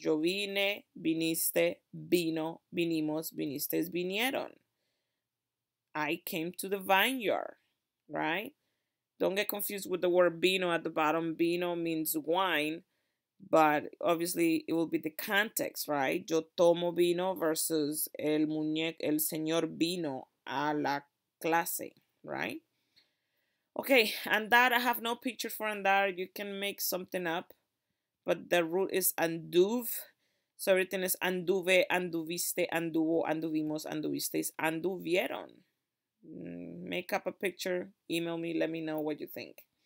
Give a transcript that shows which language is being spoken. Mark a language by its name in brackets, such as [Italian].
[Spanish] Yo vine, viniste, vino, vinimos, viniste, vinieron. [English] I came to the vineyard, right? Don't get confused with the word vino at the bottom. Vino means wine, but obviously it will be the context, right? [Spanish] Yo tomo vino versus el muñeco, el señor vino a la clase, right? [English] Okay, and that I have no picture for and that. You can make something up, but the root is anduve. So everything is [Spanish] anduve, anduviste, anduvo, anduvimos, anduvisteis, anduvieron. [English] Make up a picture, email me, let me know what you think.